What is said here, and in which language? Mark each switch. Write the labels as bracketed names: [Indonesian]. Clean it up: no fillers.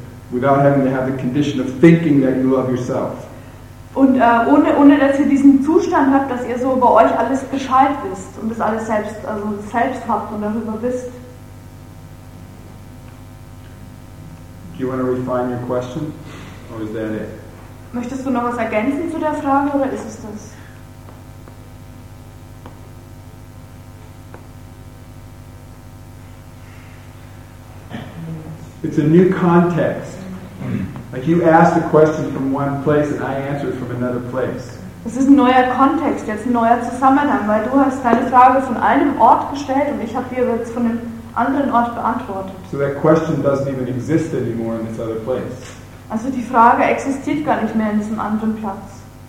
[English] Without having to have the condition of thinking that you love yourself. [German] Und ohne dass ihr diesen Zustand habt, dass ihr so über euch alles Bescheid wisst und das alles selbst also selbst habt und darüber wisst. [English] Do you want to refine your question, or is that it? [German] Möchtest du noch was ergänzen zu der Frage oder ist es das? [English] It's a new context. Like you asked a question from one place and I answered from another place. [German] Es ist ein neuer Kontext, jetzt ein neuer Zusammenhang, weil du hast deine Frage von einem Ort gestellt und ich habe dir jetzt von einem anderen Ort beantwortet. [English] So that question doesn't even exist anymore in this other place. [German] Also die Frage existiert gar nicht mehr in diesem anderen Platz.